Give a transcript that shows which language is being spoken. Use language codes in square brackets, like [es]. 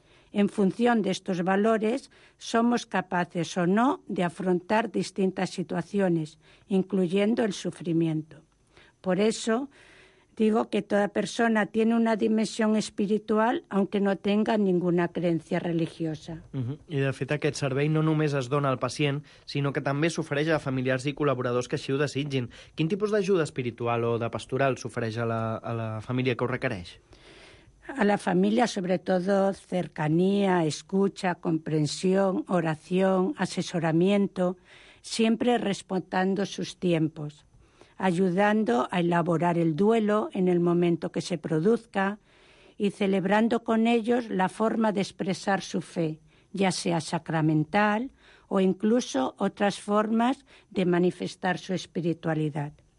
[es] En función de estos valores, somos capaces o no de afrontar distintas situaciones, incluyendo el sufrimiento. Por eso digo que toda persona tiene una dimensión espiritual, aunque no tenga ninguna creencia religiosa. Uh-huh. [ca] I, de fet, aquest servei no només es dona al pacient, sinó que també s'ofereix a familiars i col·laboradors que així ho desitgin. Quin tipus d'ajuda espiritual o de pastoral s'ofereix a la família que ho requereix? A la família, sobretot, [es] cercanía, escucha, comprensión, oración, asesoramiento, siempre respetando sus tiempos, ayudando a elaborar el duelo en el momento que se produzca y celebrando con ellos la forma de expresar su fe, ya sea sacramental o incluso otras formas de manifestar su espiritualidad.